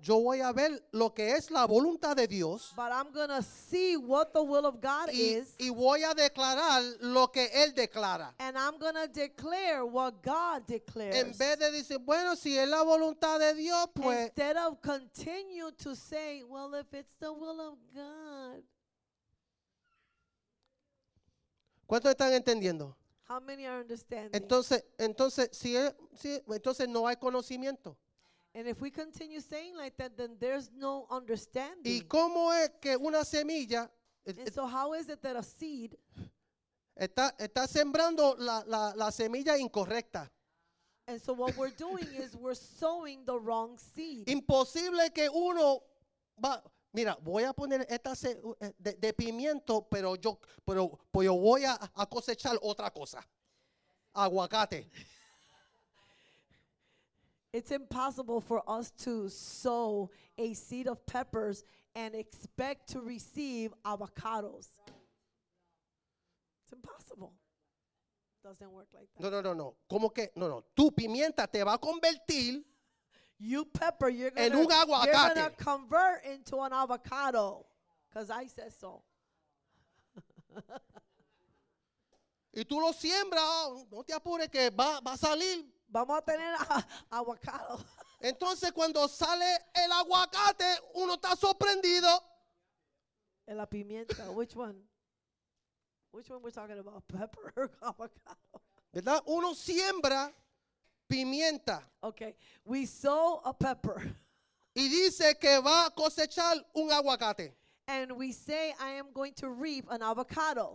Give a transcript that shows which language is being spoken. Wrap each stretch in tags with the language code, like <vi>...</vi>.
<es>yo voy a ver lo que es la voluntad de Dios.</es> <en>But I'm going to see what the will of God is.</en> <es>Y voy a declarar lo que él declara.</es> <en>And I'm going to declare what God declares.</en> <es>En vez de decir, bueno, si es la voluntad de Dios, pues.</es> <en>Instead of continue to say, well, if it's the will of God.</en> <es>¿Cuántos están entendiendo?</es> <en>How many are understanding?</en> <es>Entonces no hay conocimiento.</es> <en>And if we continue saying like that, then there's no understanding.</en> <es>¿Y cómo es que una semilla?</es> <en>And so how is it that a seed</en> <es>está sembrando la semilla incorrecta?</es> <en>And so what we're doing is we're sowing the wrong seed.</en> <es>Imposible que uno va. Mira, voy a poner esta de pimiento, pero yo voy a cosechar otra cosa. Aguacate.</es> <en>It's impossible for us to sow a seed of peppers and expect to receive avocados. It's impossible. Doesn't work like that.</en> <es>No. ¿Cómo que? No. Tu pimienta te va a convertir.</es> <en>You pepper, you're gonna convert into an avocado, because I said so.</en> <es>Y tú lo siembra, no te apures que va a salir. Vamos a tener avocado. Entonces cuando sale el aguacate, uno está sorprendido. En la pimienta,</es> <en>which one? Which one we're talking about, pepper or avocado?</en> <es>¿Verdad? Uno siembra. Pimienta.</es> <en>Okay, we sow a pepper.</en> <es>Y dice que va a cosechar un aguacate.</es> <en>And we say, I am going to reap an avocado.</en>